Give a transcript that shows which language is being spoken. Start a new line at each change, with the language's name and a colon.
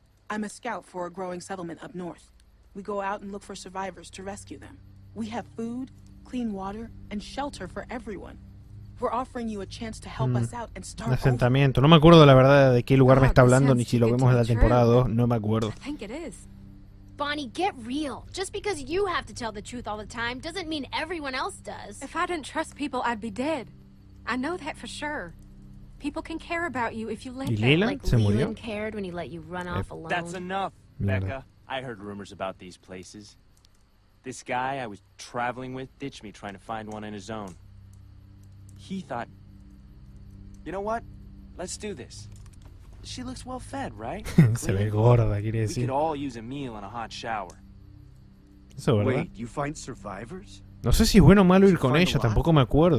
English: I'm a scout for a growing settlement up north. We go out and look for survivors to rescue them. We have food, clean water, and shelter for everyone. We're offering you a chance to help us out and start.
Spanish: Un asentamiento. No me acuerdo la verdad de qué lugar me está hablando ni si lo vemos en la temporada 2, no me acuerdo.
English: I think it is. Bonnie, get real. Just because you have to tell the truth all the time doesn't mean everyone else does. If I didn't trust people, I'd be dead. I know that for sure. People can care about you if you let them. Like Leland cared when he let you run off alone. That's enough, Becca. I heard rumors about these places. This guy I was traveling with ditched me trying to find one on his own. He thought, you know what? Let's do this. She looks well fed, right?
Spanish: Se ve gorda, quiere decir.
English: We could all use a meal and a hot shower.
Spanish: Eso, ¿verdad?
English: Wait, you find survivors?
Spanish: No sé si es bueno o malo ir con ella, tampoco me acuerdo.